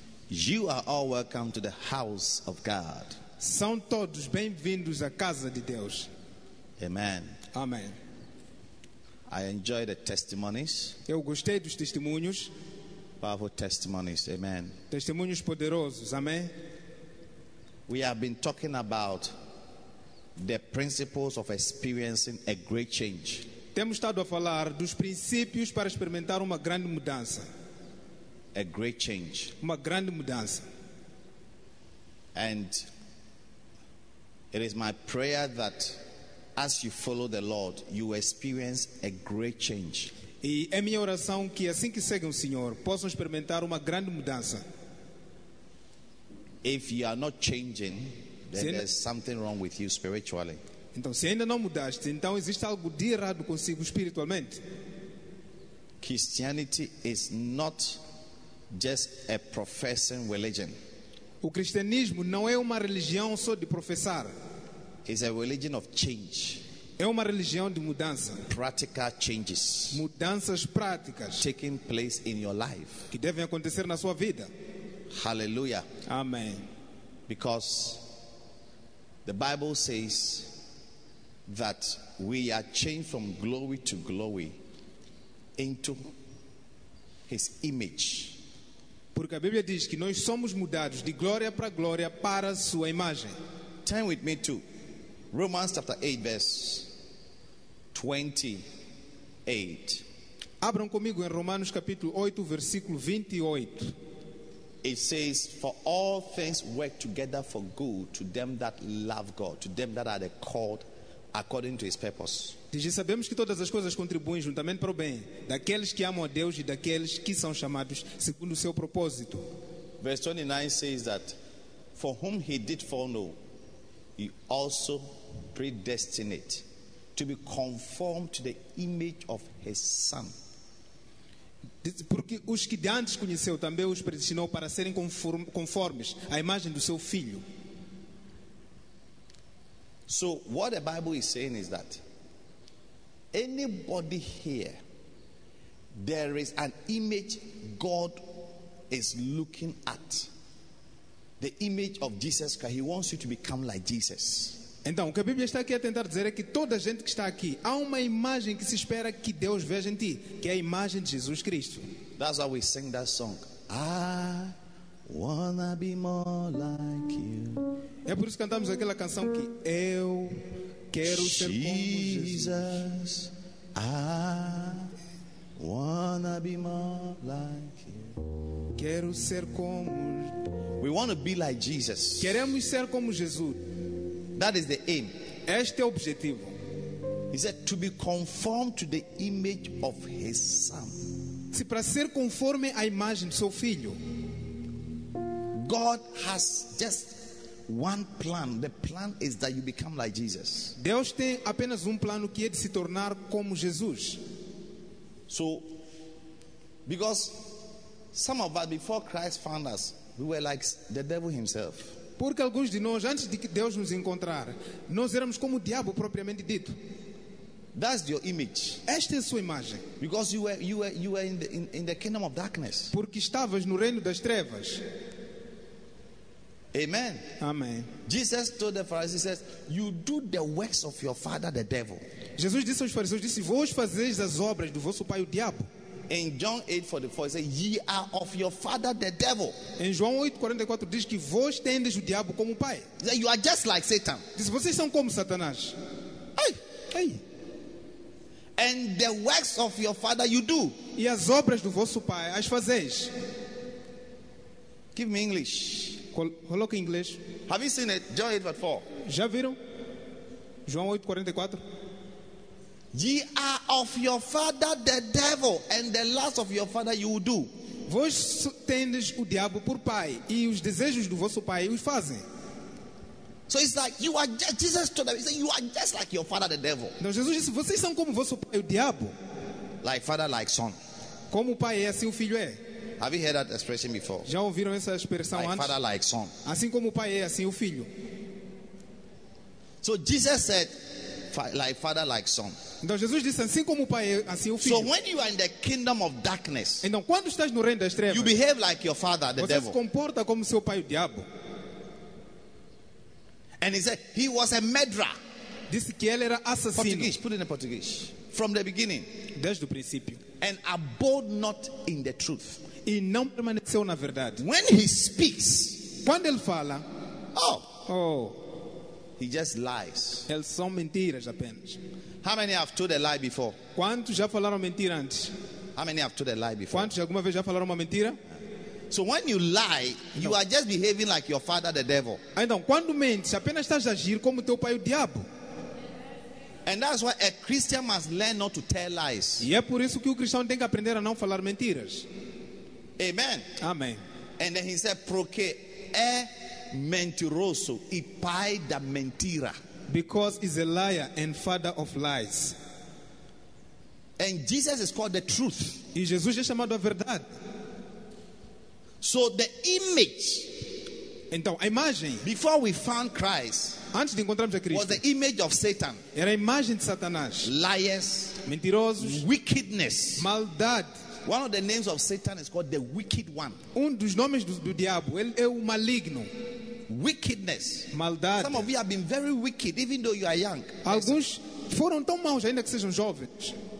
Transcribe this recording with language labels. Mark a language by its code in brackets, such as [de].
[en] You are all welcome to the house of God. [pt] São todos bem-vindos à casa de Deus. [en] Amen. [pt] Amen. [en] I enjoy the testimonies. [pt] Eu gostei dos testemunhos. [en] Powerful testimonies. Amen. [pt] Testemunhos poderosos. Amém. [en] We have been talking about the principles of experiencing a great change. [pt] Temos estado a falar dos princípios para experimentar uma grande mudança. [en] A great change. [pt] Uma grande mudança. [en] And it is my prayer that as you follow the Lord, you experience a great change. [pt] E é minha oração que assim que seguem o Senhor, possam experimentar uma grande mudança. [en] If you are not changing, then ainda, there's something wrong with you spiritually. [pt] Então, se ainda não mudaste, então existe algo de errado consigo espiritualmente. [en] Christianity is not just a professing religion. [pt] O cristianismo não é uma religião só de professar. [en] It's a religion of change. [pt] É uma religião de mudança. [en] Practical changes. [pt] Mudanças práticas. [en] Taking place in your life. [pt] Que devem acontecer na sua vida. [en] Hallelujah. [pt] Amém. [en] Because the Bible says that we are changed from glory to glory into His image. [pt] Porque a Bíblia diz que nós somos mudados de glória para sua imagem. [en] Turn with me to Romans chapter 8 verse 28. [pt] Abram comigo em Romanos capítulo 8 versículo 28. [en] It says, for all things work together for good to them that love God, to them that are called according to His purpose. [pt] Diz, sabemos que todas as coisas contribuem juntamente para o bem daqueles que amam a Deus e daqueles que são chamados segundo o seu propósito. [en] Verse 29 says that for whom He did foreknow, He also predestined to be conformed to the image of His Son. [pt] Porque os que de antes conheceu também os predestinou para serem conformes à imagem do seu Filho. [en] So what the Bible is saying is that anybody here, there is an image God is looking at. The image of Jesus Christ. He wants you to become like Jesus. [pt] Então, o que a Bíblia está aqui a tentar dizer é que toda a gente que está aqui, há uma imagem que se espera que Deus veja em ti, que é a imagem de Jesus Cristo. [en] That's why we sing that song. I wanna be more like you. [pt] É por isso que cantamos aquela canção que eu quero Jesus, ser como [en] Jesus. I wanna be more like you. [pt] Quero ser como. [en] We want to be like Jesus. [pt] Queremos ser como Jesus. [en] That is the aim. [pt] Este é o objetivo. [en] He said to be conformed to the image of His Son. [pt] Se para ser conforme à imagem do seu Filho. [en] God has just one plan. The plan is that you become like Jesus. [pt] Deus tem apenas plano que é de se tornar como Jesus. [en] So, because some of us, before Christ found us, we were like the devil himself. [pt] Porque alguns de nós, antes de que Deus nos encontrar, nós éramos como o diabo propriamente dito. [en] That's your image. [pt] Esta é a sua imagem. [en] Because you were in the kingdom of darkness. [pt] Porque estavas no reino das trevas. [en] Amen. Amen. Jesus told the Pharisees, he says, you do the works of your father, the devil. [pt] Jesus disse aos fariseus, disse, vós fazeis as obras do vosso pai, o diabo. [en] In John 8:44, he says, ye are of your father, the devil. [pt] Em João 8:44 diz que vós tendes o diabo como pai. [en] You are just like Satan. [pt] Diz, vocês são como Satanás. [en] Hey, [pt] Ei. [en] And the works of your father you do. [pt] E as obras do vosso pai as fazeis. [en] Give me English. [pt] Coloque em inglês. [en] Have you seen it? John 8:4. [pt] Já viram? João 8:44. [en] Ye are of your father the devil, and the lust of your father you do. [pt] Vós tendes o diabo por pai, e os desejos do vosso pai os fazem. [en] So it's like you are just, Jesus told them, he said, you are just like your father the devil. [pt] Então Jesus disse, vocês são como vosso pai o diabo. [en] Like father, like son. [pt] Como o pai é, assim o filho é. [en] Have you heard that expression before? [pt] Já ouviram essa expressão [en] like [pt] antes? [en] Father, like son. [pt] Assim como o pai é, assim o filho. [en] So Jesus said, like father, like son. [pt] Então Jesus disse, assim como o pai é, assim o filho. [en] So when you are in the kingdom of darkness, [pt] então quando estás no reino das trevas, [en] you behave like your father, the [pt] você [en] devil. [pt] Se comporta como seu pai o diabo. [en] And he said he was a murderer. [pt] Disse que ele era assassino. [en] Portuguese, put it in Portuguese. From the beginning. [pt] Desde o princípio. [en] And abode not in the truth. [pt] E não permaneceu na verdade. [en] When he speaks, [pt] quando ele fala, [en] oh, he just lies. [pt] Ele só mentiras apenas. [en] How many have told a lie before? [pt] Quantos já falaram mentira antes? [en] How many have told a lie before? [pt] Quantos alguma vez já falaram uma mentira? [en] So when you lie, no. You are just behaving like your father, the devil. [pt] Então, quando mentes, apenas estás a agir como teu pai, o diabo. [en] And that's why a Christian must learn not to tell lies. [pt] E é por isso que o cristão tem que aprender a não falar mentiras. [en] Amen. [pt] Amém. [en] And then he said, [pt] "Porque é mentiroso e pai da mentira." [en] Because he's a liar and father of lies. And Jesus is called the truth. [pt] E Jesus é chamado a verdade. [en] So the image, [pt] então a imagem, [en] before we found Christ, [pt] antes de encontrarmos a Cristo, [en] was the image of Satan. [pt] Era a imagem de Satanás. [en] Liars, [pt] mentirosos, [en] wickedness, [pt] maldade. [en] One of the names of Satan is called the wicked one. [pt] Um dos nomes do diabo, ele é o maligno. [en] Wickedness, [pt] maldade. [en] Some of you have been very wicked even though you are young. [pt] Alguns foram tão maus ainda que sejam jovens.